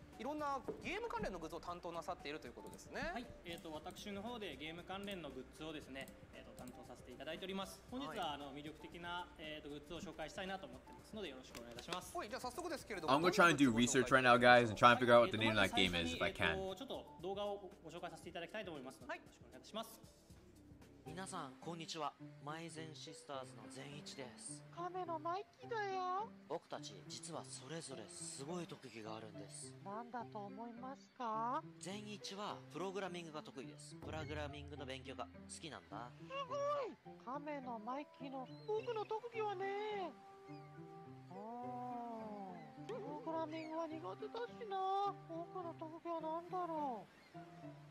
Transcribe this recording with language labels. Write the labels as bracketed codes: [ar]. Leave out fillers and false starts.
[ja] いろんなゲー関連のグッズを担当なさっているということですね。はい、私の方でゲーム関連のグッズをですね、担当させていただいております。本日は魅力的なグッズを紹介したいなと思ってますので、よろしくお願いいたします。はい、じゃあ早速ですけれども、 [en] I'm going to try and do research right now, guys, and try and figure out what the name of that game is if I can. [ja] ちょっと動画をご紹介させていただきたいと思いますので、よろしくお願いいたします。皆さん、こんにちは。マイゼンシスターズの善一です。亀のマイキだよ。僕たち実はそれぞれすごい特技があるんです。なんだと思いますか？善一はプログラミングが得意です。プログラミングの勉強が好きなんだ。すごい！亀のマイキの僕の特技はね。ああ。プログラミングは苦手だしな。僕の特技は何だろう？